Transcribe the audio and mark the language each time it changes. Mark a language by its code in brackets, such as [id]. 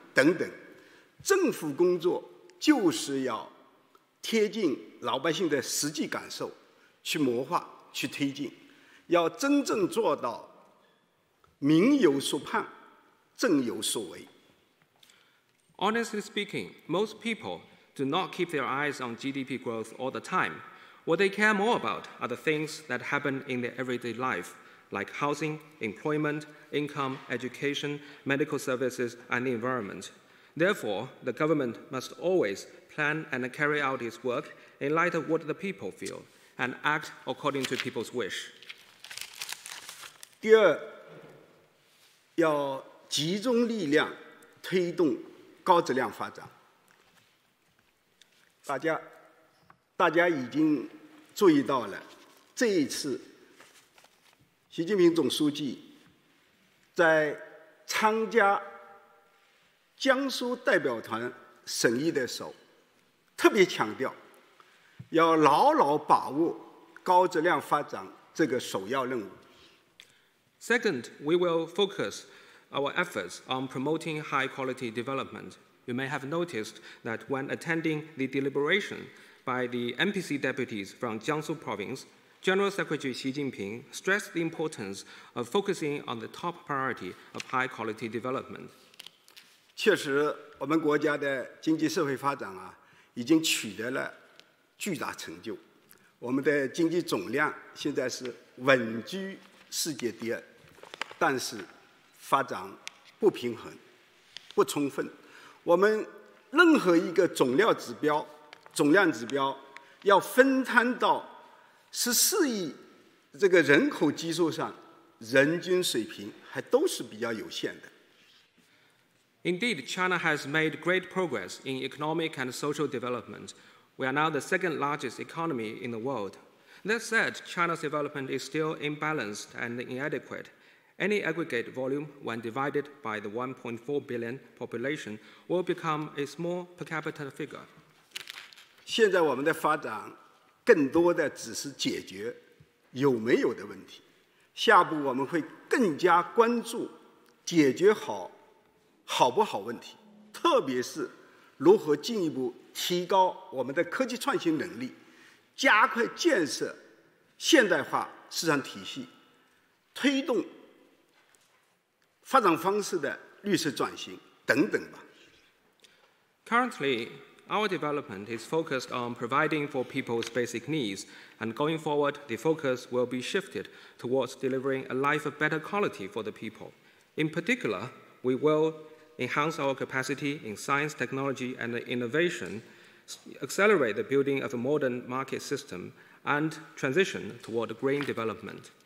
[zh] 等等，政府工作就是要贴近老百姓的实际感受，去谋划、去推进，要真正做到民有所盼，政有所为。 [en] Honestly speaking, most people do not keep their eyes on GDP growth all the time. What they care more about are the things that happen in their everyday life, like housing, employment. Income, education, medical services, and the environment. Therefore, the government must always plan and carry out its work in light of what the people feel and act according to people's wish. [zh] 第二，要集中力量推动高质量发展。大家已经注意到了，这一次，习近平总书记。在参加江苏代表团审议的时候，特别强调要牢牢把握高质量发展这个首要任务。 [en] Second, we will focus our efforts on promoting high-quality development. You may have noticed that when attending the deliberation by the MPC deputies from Jiangsu Province. General Secretary Xi Jinping stressed the importance of focusing on the top priority of high-quality development. [zh] 确实，我们国家的经济社会发展啊，已经取得了巨大成就。我们的经济总量现在是稳居世界第二，但是发展不平衡、不充分。我们任何一个总量指标，要分摊到。 14亿这个人口基数上，人均水平还都是比较有限的。 [en] Indeed, China has made great progress in economic and social development. We are now the second largest economy in the world. That said, China's development is still imbalanced and inadequate. Any aggregate volume, when divided by the 1.4 billion population, will become a small per capita figure. [zh] 现在我们的发展。更多的只是解决有没有的问题，下步我们会更加关注解决好不好问题，特别是如何进一步提高我们的科技创新能力，加快建设现代化市场体系，推动发展方式的绿色转型等等吧。 [en] Currently, our development is focused on providing for people's basic needs, and going forward, the focus will be shifted towards delivering a life of better quality for the people. In particular, we will enhance our capacity in science, technology, and innovation, accelerate the building of a modern market system, and transition toward green development.